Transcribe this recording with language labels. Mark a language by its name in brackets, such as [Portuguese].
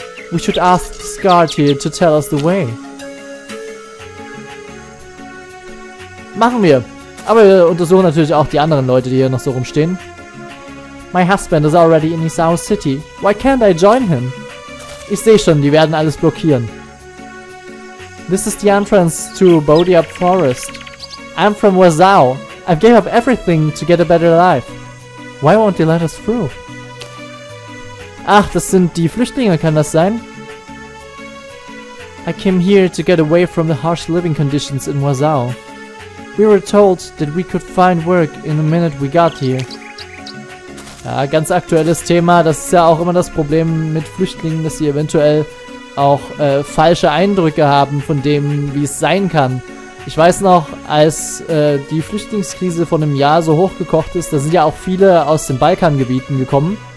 [English] We should ask Scard here to tell us the way. [German] Machen wir. Aber wir untersuchen natürlich auch die anderen Leute, die hier noch so rumstehen. [English] My husband is already in Isao City. Why can't I join him? [German] Ich sehe schon, die werden alles blockieren. [English] This is the entrance to Bodiab Forest. I'm from Wazao. I've gave up everything to get a better life. Why won't they let us through? [German] Ach, das sind die Flüchtlinge, kann das sein? [English] I came here to get away from the harsh living conditions in Wazao. We were told that we could find work in the minute we got here. [German] Ja, ganz aktuelles Thema, das ist ja auch immer das Problem mit Flüchtlingen, dass sie eventuell auch falsche Eindrücke haben von dem, wie es sein kann. Ich weiß noch, als die Flüchtlingskrise vor einem Jahr so hochgekocht ist, da sind ja auch viele aus den Balkangebieten gekommen.